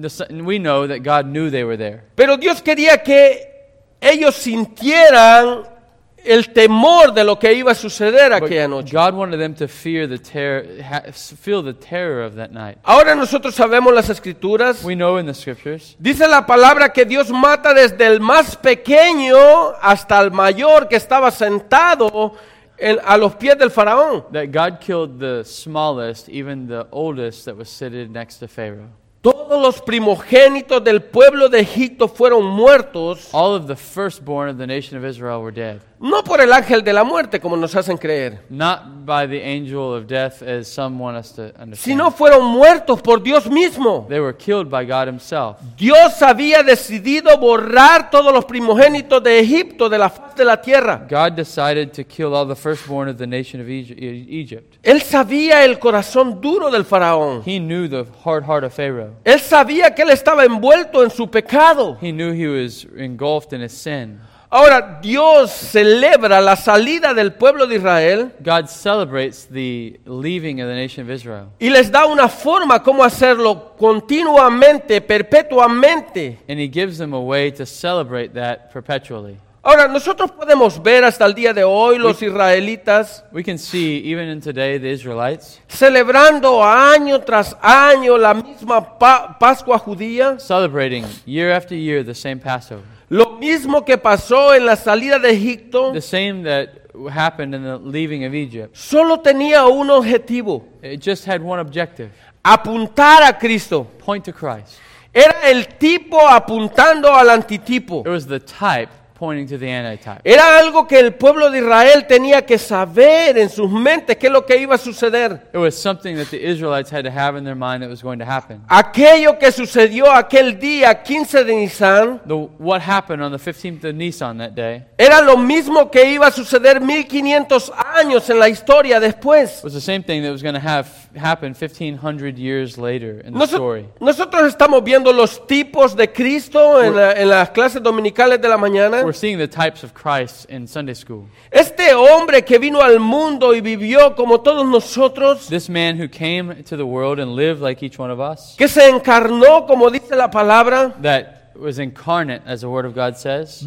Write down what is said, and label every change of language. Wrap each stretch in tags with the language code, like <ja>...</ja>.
<en>We know that God knew they were there.</en> <es>Pero Dios quería que ellos sintieran el temor de lo que iba a suceder aquella noche.</es> <en>God wanted them to fear the terror, feel the terror of that night.</en> <es>Ahora nosotros sabemos las escrituras.</es> <en>We know in the scriptures.</en> <es>Dice la palabra que Dios mata desde el más pequeño hasta el mayor que estaba sentado en, a los pies del faraón.</es> <en>That God killed the smallest, even the oldest that was seated next to Pharaoh.</en> <es>Todos los primogénitos del pueblo de Egipto fueron muertos.</es> <en>All of the firstborn of the nation of Israel were dead.</en> <es>No por el ángel de la muerte, como nos hacen creer.</es> <en>Not by the angel of death, as some want us to understand.</en> <es>Sino fueron muertos por Dios mismo.</es> <en>They were killed by God himself.</en> <es>Dios había decidido borrar todos los primogénitos de Egipto de la faz de la tierra.</es> <en>God decided to kill all the firstborn of the nation of Egypt.</en> <es>Él sabía el corazón duro del faraón.</es> <en>He knew the hard heart of Pharaoh.</en> <es>Él sabía que él estaba envuelto en su pecado.</es> <en>He knew he was engulfed in his sin.</en> <es>Ahora, Dios celebra la salida del pueblo de Israel.</es> <en>God celebrates the leaving of the nation of Israel.</en> <es>Y les da una forma cómo hacerlo continuamente, perpetuamente.</es> <en>And he gives them a way to celebrate that perpetually.</en> <es>Ahora, nosotros podemos ver hasta el día de hoy los israelitas.</es> <en>We can see, even in today, the Israelites.</en> <es>Celebrando año tras año la misma Pascua judía.</es> <en>Celebrating year after year the same Passover.</en> <es>Lo mismo que pasó en la salida de Egipto.</es> <en>The same that happened in the leaving of Egypt.</en> <es>Solo tenía un objetivo.</es> <en>It just had one objective.</en> <es>Apuntar a Cristo.</es> <en>Point to Christ.</en> <es>Era el tipo apuntando al antitipo.</es> <en>It was the type pointing to the antitype.</en> <es>Era algo que el pueblo de Israel tenía que saber en sus mentes qué es lo que iba a suceder.</es> <en>It was something that the Israelites had to have in their mind that was going to happen.</en> <es>Aquello que sucedió aquel día 15 de Nisan,</es> <en>what happened on the 15th of Nisan that day,</en> <es>era lo mismo que iba a suceder 1500 años en la historia después.</es> <en>It was the same thing that was going to happen 1500 years later in the story.</en> <es>Nosotros estamos viendo los tipos de Cristo en las clases dominicales de la mañana.</es> <en>We're seeing the types of Christ in Sunday school.</en> <es>Este hombre que vino al mundo y vivió como todos nosotros.</es> <en>This man who came to the world and lived like each one of us.</en> <es>Que se encarnó, como dice la palabra.</es> <en>That was incarnate, as the word of God says.</en>